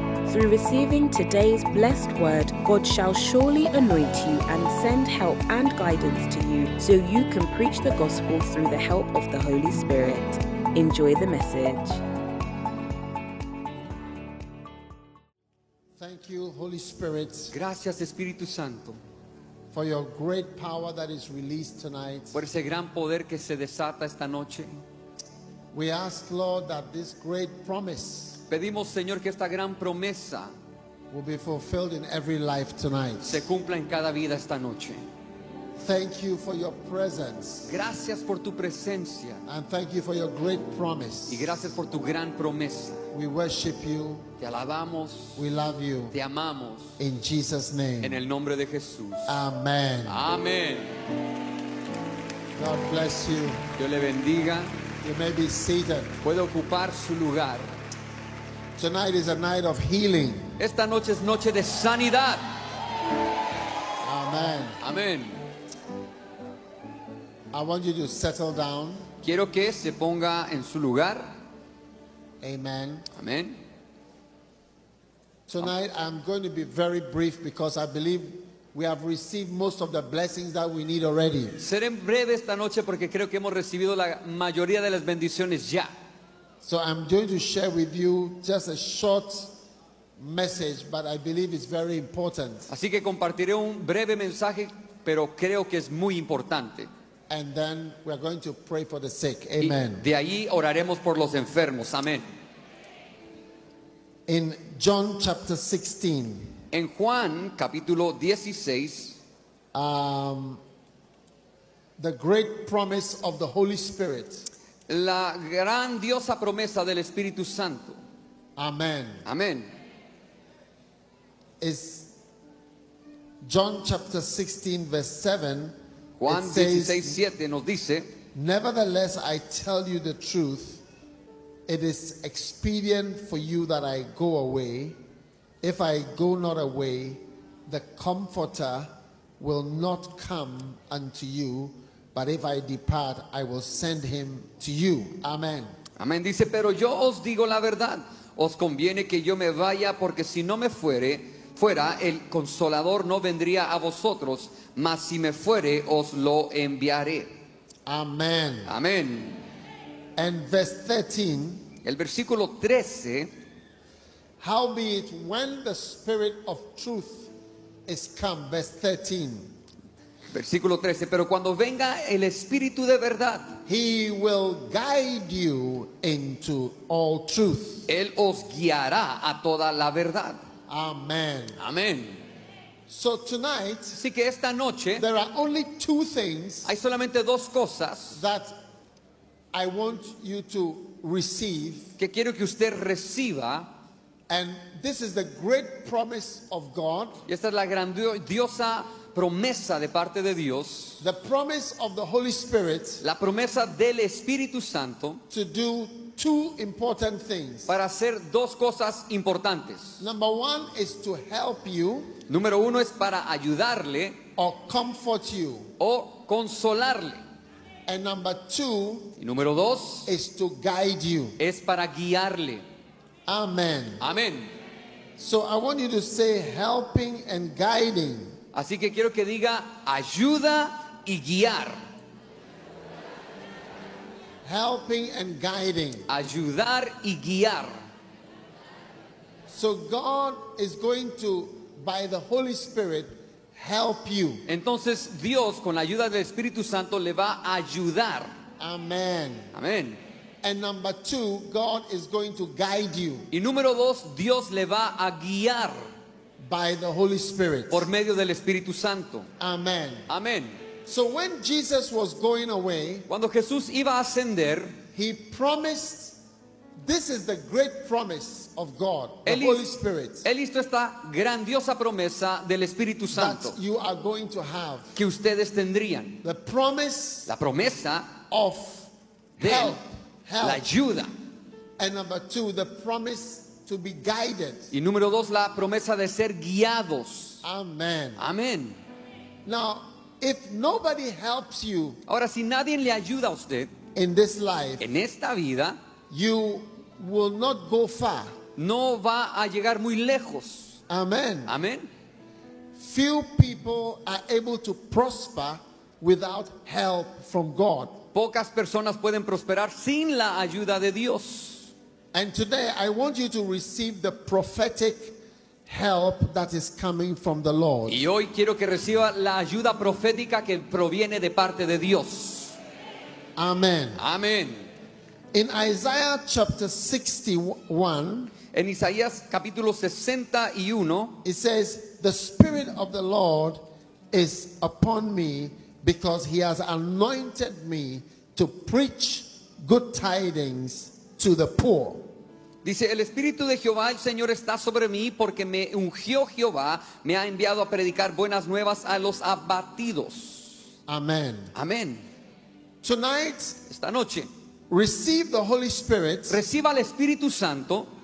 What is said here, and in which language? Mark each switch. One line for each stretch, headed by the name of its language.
English: Through receiving today's blessed word, God shall surely anoint you and send help and guidance to you so you can preach the gospel through the help of the Holy Spirit. Enjoy the message. Thank you, Holy Spirit.
Spanish: Gracias, Espíritu Santo.
English: For your great power that is released tonight.
Spanish: Por ese gran poder que se desata esta noche.
English: We ask, Lord, that this great promise.
Spanish: Pedimos, Señor, que esta gran promesa
English: will be fulfilled in every life tonight.
Spanish: Se cumpla en cada vida esta noche.
English: Thank you for your presence.
Spanish: Gracias por tu presencia.
English: And thank you for your great promise.
Spanish: Y gracias por tu gran promesa.
English: We worship you.
Spanish: Te alabamos.
English: We love you.
Spanish: Te amamos.
English: In Jesus' name.
Spanish: En el nombre de Jesús.
English: Amen.
Spanish: Amen.
English: God bless you.
Spanish: Dios le bendiga.
English: You may be seated.
Spanish: Puede ocupar su lugar.
English: Tonight is a night of healing.
Spanish: Esta noche es noche de sanidad.
English: Amen.
Spanish: Amen.
English: I want you to settle down.
Spanish: Quiero que se ponga en su lugar.
English: Amen.
Spanish: Amen.
English: Tonight I'm going to be very brief because I believe we have received most of the blessings that we need already.
Spanish: Seré breve esta noche porque creo que hemos recibido la mayoría de las bendiciones ya.
English: So I'm going to share with you just a short message, but I believe it's very important.
Spanish: Así que compartiré un breve mensaje, pero creo que es muy importante.
English: And then we're going to pray for the sick. Amen.
Spanish: De ahí oraremos por los enfermos. Amén.
English: In John chapter 16.
Spanish: En Juan capítulo 16.
English: The great promise of the Holy Spirit.
Spanish: La grandiosa promesa del Espíritu Santo.
English: Amen.
Spanish: Amen.
English: Is John chapter 16 verse 7.
Spanish: Juan 16, 7 nos dice,
English: nevertheless, I tell you the truth, it is expedient for you that I go away. If I go not away, the Comforter will not come unto you, but if I depart, I will send him to you. Amen.
Spanish: Amen. Dice, pero yo os digo la verdad, os conviene que yo me vaya, porque si no me fuere, fuera el Consolador no vendría a vosotros, mas si me fuere, os lo enviaré.
English: Amen.
Spanish: Amen.
English: And verse 13.
Spanish: El versículo 13.
English: Howbeit, when the Spirit of truth is come, verse 13.
Spanish: Versículo 13. Pero cuando venga el Espíritu de verdad,
English: he will guide you into all truth.
Spanish: Él os guiará a toda la verdad.
English: Amen.
Spanish: Amen.
English: So tonight,
Spanish: así que esta noche,
English: there are only two things,
Spanish: hay solamente dos cosas,
English: that I want you to receive,
Spanish: que quiero que usted reciba,
English: and this is the great promise of God.
Spanish: Y esta es la grandiosa promesa de parte de Dios,
English: the promise of the Holy Spirit,
Spanish: la promesa del Espíritu Santo,
English: to do two important things.
Spanish: Para hacer dos cosas importantes.
English: Number one is to help you.
Spanish: Número uno es para ayudarle.
English: Or comfort you.
Spanish: O consolarle.
English: And number two.
Spanish: Y número dos.
English: Is to guide you.
Spanish: Es para guiarle.
English: Amen.
Spanish: Amen.
English: So I want you to say helping and guiding.
Spanish: Así que quiero que diga ayuda y guiar.
English: Helping and guiding.
Spanish: Ayudar y guiar.
English: So God is going to, by the Holy Spirit, help you.
Spanish: Entonces Dios, con la ayuda del Espíritu Santo, le va a ayudar.
English: Amen.
Spanish: Amen.
English: And number two, God is going to guide you.
Spanish: Y número dos, Dios le va a guiar.
English: by the Holy Spirit.
Spanish: Por medio del Espíritu Santo.
English: Amen.
Spanish: Amen.
English: So when Jesus was going away,
Spanish: cuando Jesús iba a ascender,
English: he promised, this is the great promise of God, the Holy Spirit.
Spanish: Él hizo esta grandiosa promesa del Espíritu Santo.
English: That you are going to have.
Spanish: Que ustedes tendrían.
English: The promise.
Spanish: La promesa
English: of help, help.
Spanish: La ayuda.
English: And number two, the promise to be guided.
Spanish: Y número dos, la promesa de ser guiados.
English: Amen.
Spanish: Amen.
English: Now, if nobody helps you,
Spanish: ahora si nadie le ayuda a usted,
English: in this life,
Spanish: en esta vida,
English: you will not go far.
Spanish: No va a llegar muy lejos.
English: Amen.
Spanish: Amen.
English: Few people are able to prosper without help from God.
Spanish: Pocas personas pueden prosperar sin la ayuda de Dios.
English: And today I want you to receive the prophetic help that is coming from the Lord.
Spanish: Y hoy quiero que reciba la ayuda profética que proviene de parte de Dios.
English: Amen.
Spanish: Amen.
English: In Isaiah chapter 61,
Spanish: en Isaías capítulo 61,
English: it says, "The Spirit of the Lord is upon me, because he has anointed me to preach good tidings to the poor."
Spanish: Dice, el Espíritu de Jehová, el Señor, está sobre mí porque me ungió Jehová, me ha enviado a predicar buenas nuevas a los abatidos.
English: Amen.
Spanish: Amen.
English: Tonight,
Spanish: esta noche,
English: receive the Holy Spirit,
Spanish: reciba el Espíritu Santo,